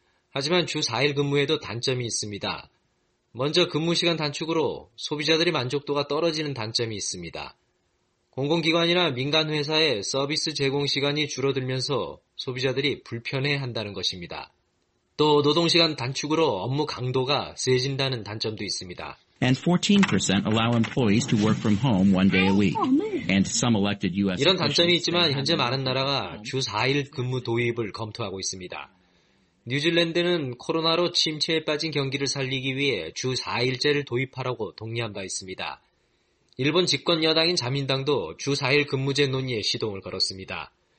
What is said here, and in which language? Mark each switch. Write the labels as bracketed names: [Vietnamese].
[Korean] 하지만 주 4일 근무에도 단점이 있습니다. 먼저 근무 시간 단축으로 소비자들의 만족도가 떨어지는 단점이 있습니다. 공공기관이나 민간회사의 서비스 제공 시간이 줄어들면서 소비자들이 불편해한다는 것입니다. 또 노동시간 단축으로 업무 강도가 세진다는 단점도 있습니다. [English] And 14% allow employees to work from home one day a week. And some elected U.S. [Korean] 이런 단점이 있지만 현재 많은 나라가 주 4일 근무 도입을 검토하고 있습니다. 뉴질랜드는 코로나로 침체에 빠진 경기를 살리기 위해 주 4일제를 도입하라고 동의한 바 있습니다. 일본 집권 여당인 자민당도 주 4일 근무제 논의에 시동을 걸었습니다.